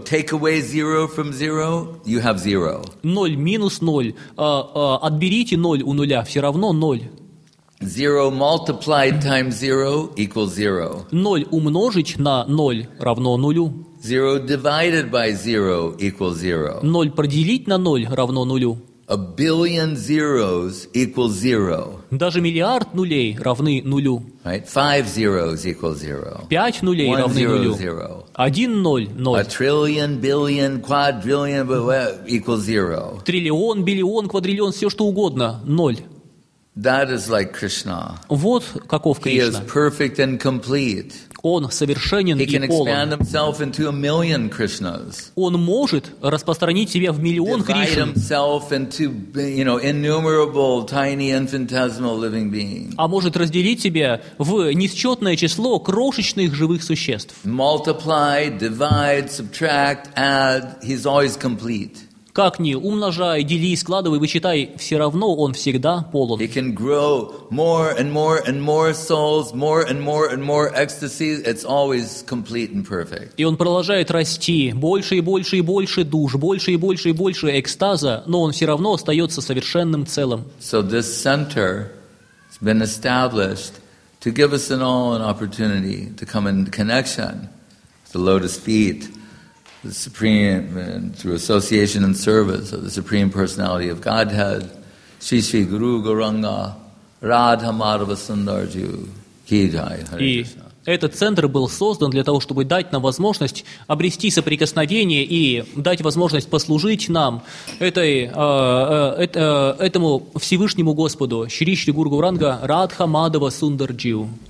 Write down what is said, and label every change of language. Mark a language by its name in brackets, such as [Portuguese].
[English] Take away zero from zero, you have zero. [Russian] 0 минус 0. Отберите 0 у нуля, все равно 0. [English] Zero multiplied times zero equals zero. [Russian] 0 умножить на 0 равно нулю. [English] Zero divided by zero equals zero. [Russian] 0 поделить на 0 равно нулю. [English] A billion zeros equals zero. [Russian] Даже миллиард нулей равны нулю. [English] Right? Five zeros equals zero. [Russian] Пять нулей [English] One [Russian] равны [English] zero, [Russian] нулю. [English] Zero. [Russian] Один ноль, ноль. [English] A trillion, billion, quadrillion equals zero. [Russian] Триллион, биллион, квадриллион, все что угодно, ноль. [English] That is like Krishna. [Russian] Вот каков Кришна. [English] He is perfect and complete. [Russian] Он совершенен [English] He can [Russian] и полон. [English] Expand himself into a million Krishnas. [Russian] Он может распространить себя в миллион [English] Divide [Russian] Кришн. [English] Himself into, you know, innumerable tiny infinitesimal living beings. [Russian] А может разделить себя в несчетное число крошечных живых существ. [English] Multiply, divide, subtract, add. He's always complete. [Russian] Как ни умножай, дели, складывай, вычитай, все равно он всегда полон. [English] He can grow more and more and more souls, more and more and more ecstasy. It's always complete and perfect. [Russian] И он продолжает расти, больше и больше и больше душ, больше и больше и больше экстаза, но он все равно остается совершенным целым. [English] So this center has been established to give us an all an opportunity to come in connection with the lotus feet. The Supreme, through association and service of the Supreme Personality of Godhead, Shri Shri Guru Gauranga, Radha Madhava Sundarju, Ki Jai, Hare Krishna. [Russian] Этот центр был создан для того, чтобы дать нам возможность обрести соприкосновение и дать возможность послужить нам этому Всевышнему Господу, Шри Шри Гуру Гауранга, Радха Мадхава Сундар Джиу.